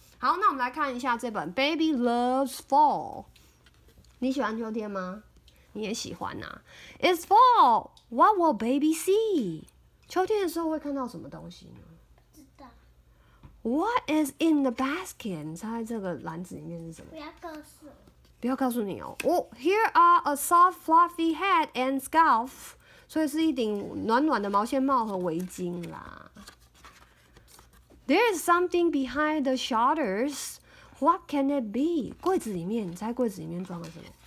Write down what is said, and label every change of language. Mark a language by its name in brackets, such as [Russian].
[Chinese] 好，那我们来看一下这本《Baby Loves Fall》。你喜欢秋天吗？你也喜欢啊。 [English] It's fall. What will baby see? [Chinese] 秋天的时候会看到什么东西呢？知道。 [English] What is in the basket? [Chinese] 你猜这个篮子里面是什么？不要告诉你。不要告诉你哦。 [English] Oh, here are a soft, fluffy hat and scarf. [Chinese] 所以是一顶暖暖的毛线帽和围巾啦。 [English] There is something behind the shutters. What can it be? [Chinese] 柜子里面，你猜柜子里面装了什么？